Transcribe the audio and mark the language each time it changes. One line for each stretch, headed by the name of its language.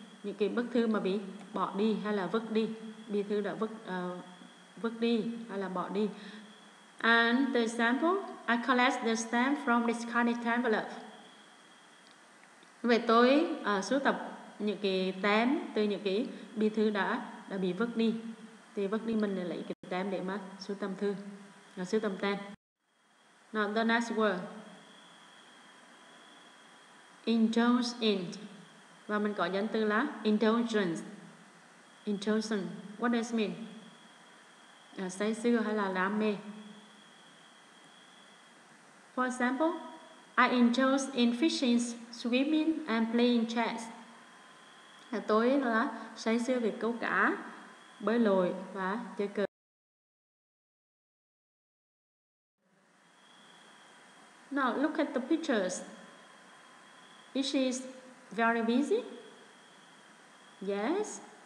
Vietnamese: Những cái bức thư mà bị bỏ đi hay là vứt đi. Bí thư đã vứt đi hay là bỏ đi.
English: And the example, I collect the stamp from discarded envelope.
Vietnamese: Vậy tôi sưu tập những cái tem từ những cái bí thư đã bị vứt đi, thì vứt đi mình lại lấy cái tem để mà sưu tầm tem.
English: Now the next word. Indulge in.
Vietnamese: Và mình có danh từ là indulgence.
English: Indulgence. What does it mean?
Vietnamese: Say sưa hay là đam mê.
English: For example, I indulge in fishing, swimming and playing chess.
Vietnamese: Tôi là say sưa về câu cá, bơi lội và chơi cờ.
English: Now look at the pictures. Is she very busy? Yes.